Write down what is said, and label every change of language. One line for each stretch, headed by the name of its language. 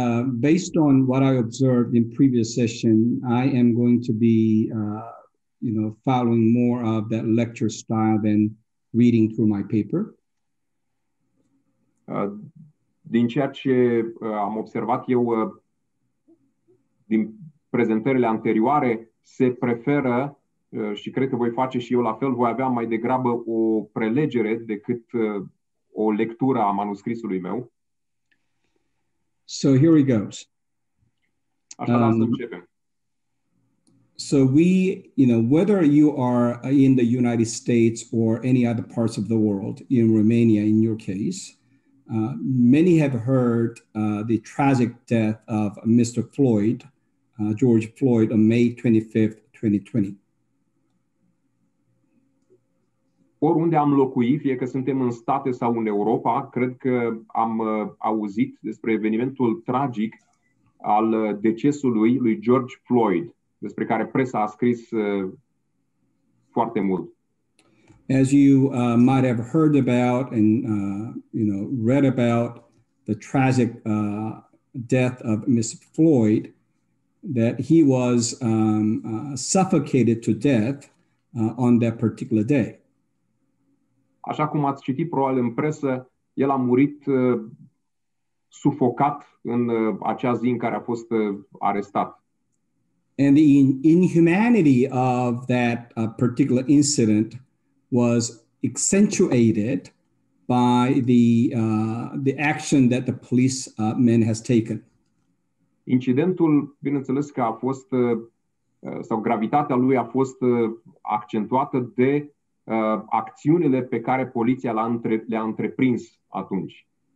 English: Based on what I observed in previous session, I am going to be following more of that lecture style than reading through my paper.
Romanian: Din ceea ce am observat eu din prezentările anterioare, se preferă și cred că voi face și eu la fel, voi avea mai degrabă o prelegere decât o lectură a manuscrisului meu.
English: So here we go.
Romanian: Așadar, să începem.
English: So we, whether you are in the United States or any other parts of the world, in Romania in your case, many have heard the tragic death of Mr. Floyd, George Floyd, on May 25th, 2020.
Romanian: Oriunde am locuit, fie că suntem în state sau în Europa, cred că am auzit despre evenimentul tragic al decesului lui George Floyd, despre care presa a scris foarte mult.
English: As you might have heard about and read about the tragic death of Mr. Floyd, that he was suffocated to death on that particular day.
Romanian: Așa cum ați citit probabil în presă, el a murit sufocat în acea zi în care a fost arestat.
English: And the inhumanity of that particular incident was accentuated by the action that the police men has taken.
Romanian: Incidentul, bineînțeles că a fost sau gravitatea lui a fost accentuată de acțiunile pe care poliția le-a întreprins atunci.